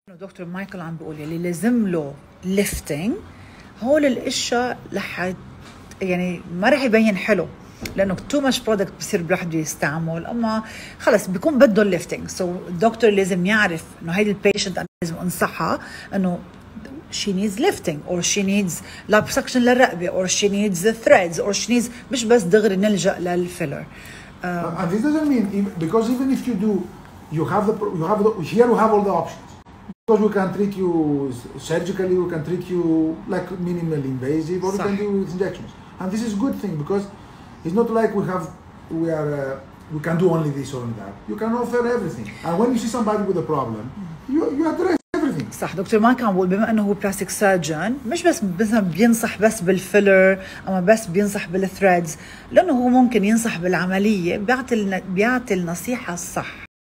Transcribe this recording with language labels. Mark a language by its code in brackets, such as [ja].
[ar] دكتور مايكل عم بيقول اللي لازم له ليفتينج هول الاشياء يعني ما رح يبين حلو لانه [en] to match product [ar] بصير بلحد يستعمل اما خلص بيكون بده الليفتنج. سو الدكتور لازم يعرف انه هيدي البيشنت انا لازم انصحها انه شي [en] needs lifting or she needs [ar] لابسكشن للرقبه اور شي نيدز ثريدز اور شي نيدز مش بس دغري نلجا للفيلر. [en] And this doesn't mean because even if you do you have all the options because we can treat you surgically, we can treat you like minimal invasive or we can do with injections and this is good thing because it's not like we can do only this or that. You can offer everything. And when you see somebody with a problem, you address everything. [ar] صح دكتور مايكل عم بقول بما انه هو بلاستيك سيرجن مش بس مثلا بينصح بس بالفيلر اما بس بينصح بالثريدز لانه هو ممكن ينصح بالعمليه بيعطي النصيحه الصح.